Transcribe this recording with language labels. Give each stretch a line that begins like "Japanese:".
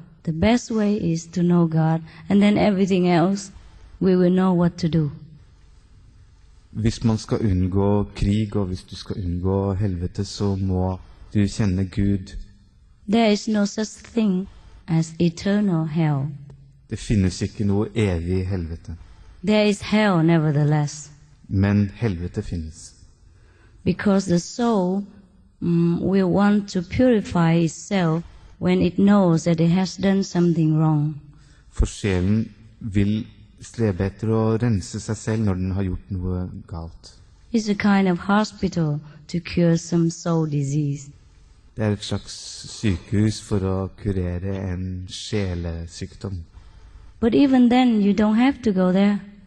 English: The best way is to know God, and then everything else, we will know what to do.
Norwegian: Hvis man skal unngå krig, og hvis du skal unngå helvete, så må du kjenne Gud.
English: There is no such thing as eternal hell.
Norwegian: Det finnes ikke noe evig helvete.
English: There is hell nevertheless.
Norwegian: Men helvete finnes.
English: Because the soul will want to purify itself when it knows that it has done something wrong.
Norwegian: For sjelen vil strebe etter å rense seg selv når den har gjort noe galt.
English: It's a kind of hospital to cure some soul disease.
Norwegian: Det er et slags sykehus for å kurere en sjelesykdom.
English: But even then, you don't have to go there.